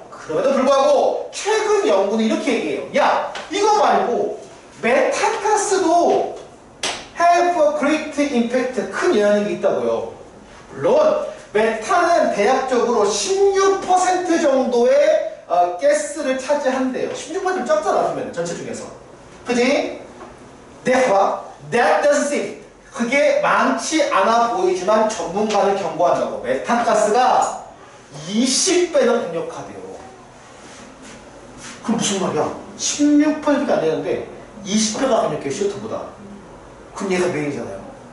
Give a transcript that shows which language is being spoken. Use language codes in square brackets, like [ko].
[ko] 그럼에도 불구하고 최근 연구는 이렇게 얘기해요. 야, 이거 말고 메탄가스도 [en] have a great impact, [ko] 큰 영향이 있다고요. 물론 메탄은 대략적으로 16% 정도의 가스를 차지한대요. 16%면 적잖아, 그러면 전체 중에서. 그지? [en] Therefore, that doesn't seem. [ko] 그게 많지 않아 보이지만 전문가를 경고한다고. 메탄가스가 20배나 강력하대요. 그럼 무슨 말이야? 16%밖에 안 되는데 20배가 강력해요, CO2보다. 그럼 얘가 메인이잖아요.